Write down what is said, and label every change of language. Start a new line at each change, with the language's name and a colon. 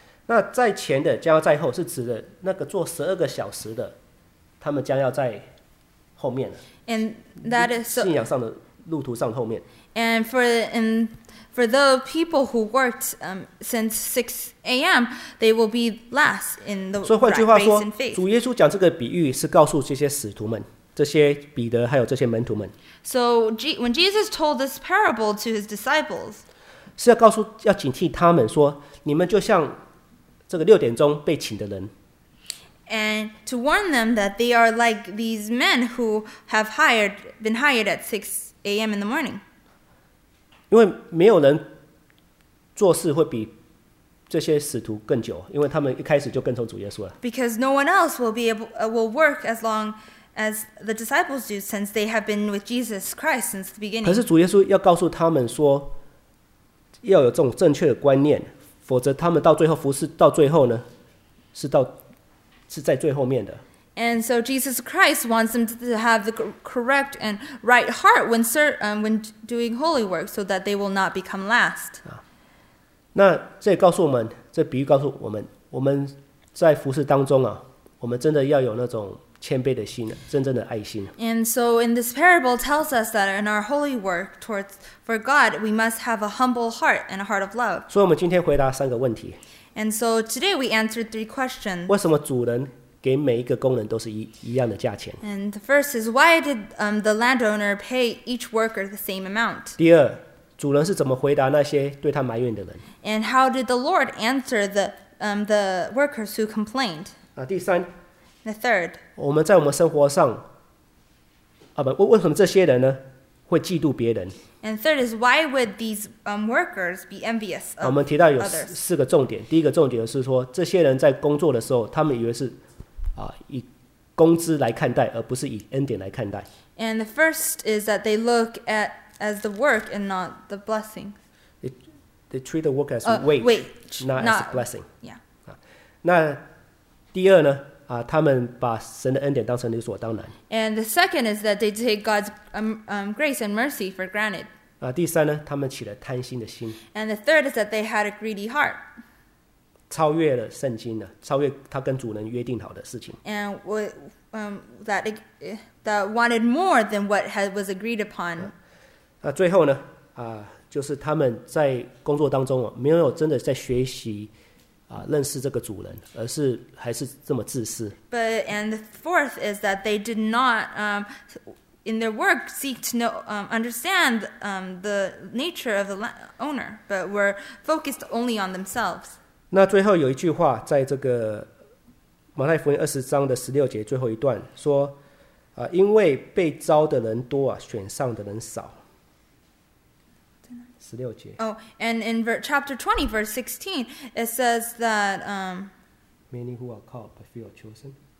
Chinese: 那在前的将要在后是指的那个做12个小时的，他们将要在后面了。
English: And that is so,
Chinese: 信仰上的路途上后面。
English: And for the people who worked since 6 a.m., they will be last in the race.
Chinese: 所以换句话说，主耶稣讲这个比喻是告诉这些使徒们，这些彼得还有这些门徒们。
English: So when Jesus told this parable to his disciples,
Chinese: 是要告诉要警惕他们说，你们就像这个6点钟被请的人。
English: And to warn them that they are like these men who have been hired at 6 a.m. in the morning.
Chinese: 因为没有人做事会比这些使徒更久，因为他们一开始就跟从主耶稣了。
English: Because no one else will work as long as the disciples do since they have been with Jesus Christ since the beginning.
Chinese: 可是主耶稣要告诉他们说，要有这种正确的观念，否则他们到最后服侍到最后呢，是在最后面的。
English: And so Jesus Christ wants them to have the correct and right heart when doing holy work so that they will not become last.
Chinese: 那这也告诉我们，这比喻告诉我们，我们在服事当中啊，我们真的要有那种谦卑的心，真正的爱心。
English: And so in this parable tells us that in our holy work towards for God, we must have a humble heart and a heart of love.
Chinese: 所以我们今天回答三个问题。
English: And so today we answered three questions.
Chinese: 为什么主人给每一个工人都是 一样的价钱？
English: And the first is why did the landowner pay each worker the same amount?
Chinese: 第二，主人是怎么回答那些对他埋怨的人？
English: And how did the Lord answer the workers who complained?
Chinese: 第三，
English: The third.
Chinese: 我们在我们生活上，为什么这些人呢，会嫉妒别人？
English: And third is, why would these workers be envious of others?
Chinese: 我们提到有四个重点。第一个重点是说，这些人在工作的时候，他们以为是以工资来看待，而不是以恩典来看待。
English: And the first is that they look at as the work and not the blessing. They treat the work as wage, not as a blessing. Yeah.
Chinese: 那第二呢？他们把神的恩典当成理所当然。
English: And the second is that they take God's grace and mercy for granted.
Chinese: 第三呢，他们起了贪心的心。
English: And the third is that they had a greedy heart.
Chinese: 超越了圣经了，超越他跟主人约定好的事情。
English: And that wanted more than what was agreed upon.
Chinese: 最后呢，就是他们在工作当中没有真的在学习认识这个主人，而是还是这么自私。
English: But and the fourth is that they did not in their work seek to know understand the nature of the owner, but were focused only on themselves.
Chinese: 那最后有一句话，在这个马太福音二十章的十六节最后一段说，因为被招的人多，选上的人少。
English: Oh, and in chapter 20, verse 16, it says that many who are called, but few are chosen.